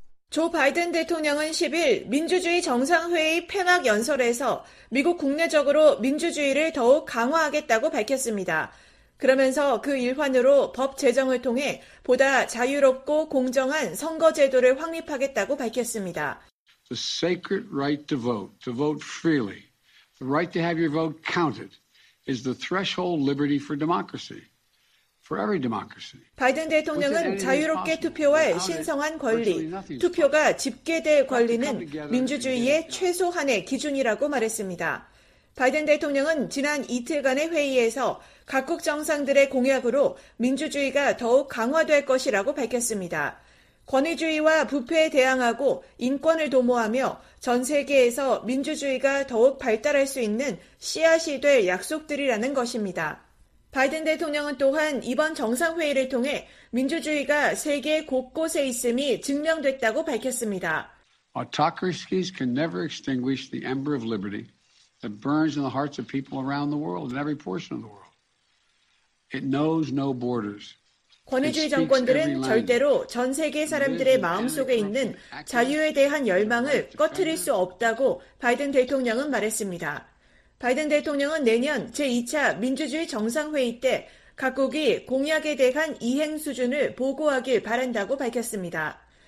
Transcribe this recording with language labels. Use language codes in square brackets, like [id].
[ko] 조 바이든 대통령은 10일 민주주의 정상회의 폐막 연설에서 미국 국내적으로 민주주의를 더욱 강화하겠다고 밝혔습니다. 그러면서 그 일환으로 법 제정을 통해 보다 자유롭고 공정한 선거 제도를 확립하겠다고 밝혔습니다. [en] The sacred right to vote, to vote freely, the right to have your vote counted is the threshold liberty for democracy, for every democracy. [ko] 바이든 대통령은 자유롭게 투표할 신성한 권리, 투표가 집계될 권리는 민주주의의 최소한의 기준이라고 말했습니다. 바이든 대통령은 지난 이틀간의 회의에서 각국 정상들의 공약으로 민주주의가 더욱 강화될 것이라고 밝혔습니다. 권위주의와 부패에 대항하고 인권을 도모하며 전 세계에서 민주주의가 더욱 발달할 수 있는 씨앗이 될 약속들이라는 것입니다. 바이든 대통령은 또한 이번 정상회의를 통해 민주주의가 세계 곳곳에 있음이 증명됐다고 밝혔습니다. [en] Autocracies can never extinguish the ember of liberty that burns in the hearts of people around the world in every portion of the world. It knows no borders. [ko] 권위주의 정권들은 절대로 전 세계 사람들의 마음속에 있는 자유에 대한 열망을 꺼트릴 수 없다고 바이든 대통령은 말했습니다. 바이든 대통령은 내년 제2차 민주주의 정상회의 때 각국이 공약에 대한 이행 수준을 보고하길 바란다고 밝혔습니다.